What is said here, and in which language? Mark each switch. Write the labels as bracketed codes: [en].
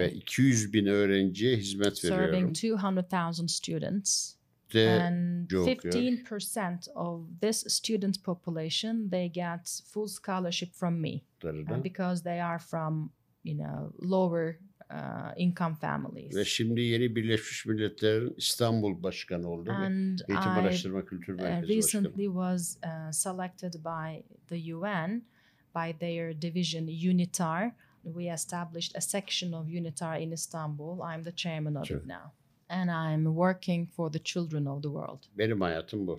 [tr] Ve 200 bin öğrenciye hizmet veriyorum. [en] Serving 200,000 students. And 15% of this student population, they get full scholarship from me. And because they are from, you know, lower income families. [tr] Ve şimdi yeni Birleşmiş Milletler'in İstanbul Başkanı oldum. [en] And [tr] Eğitim Araştırma Kültür Merkezi Başkanı. [en] Recently was selected by the UN, by their division UNITAR. We established a section of UNITAR in Istanbul. I'm the chairman of it now. And I'm working for the children of the world. [tr] Benim hayatım bu.